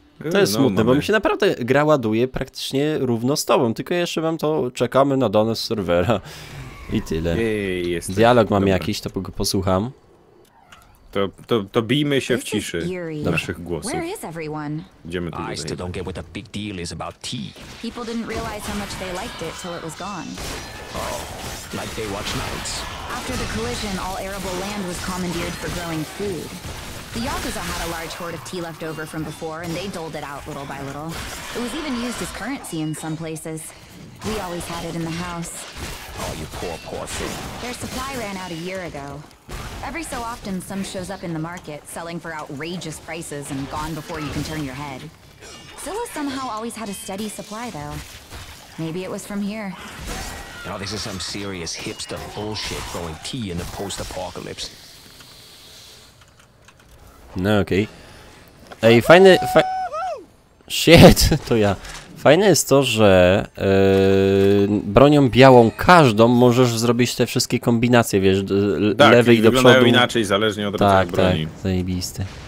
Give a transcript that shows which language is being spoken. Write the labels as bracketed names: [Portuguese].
[Polish] To jest smutne, bo mi się naprawdę gra ładuje praktycznie równo z tobą, tylko jeszcze mam to, czekamy na dane z serwera. I tyle. Jestem. Dialog mam jakiś, to go posłucham. To bijmy się w ciszy naszych głosów. Gdzie my tutaj? [English] I still don't get what the big deal is about tea. People didn't realize how much they liked it till it was gone. Oh, like they watch nights. After the collision, all arable land was commandeered for growing food. The Yakuza had a large hoard of tea left over from before, and they doled it out little by little. It was even used as currency in some places. We always had it in the house. Oh, you poor, poor thing. Their supply ran out a year ago. Every so often, some shows up in the market, selling for outrageous prices and gone before you can turn your head. Scylla somehow always had a steady supply, though. Maybe it was from here. Now this is some serious hipster bullshit growing tea in the post-apocalypse. No, okay. [Polish] Ej, fajny... Shit, to ja. Fajne jest to, że bronią białą każdą możesz zrobić te wszystkie kombinacje, wiesz, tak, lewy i do przodu. Wyglądają inaczej, zależnie od tak, broni. Tak, zajebiste.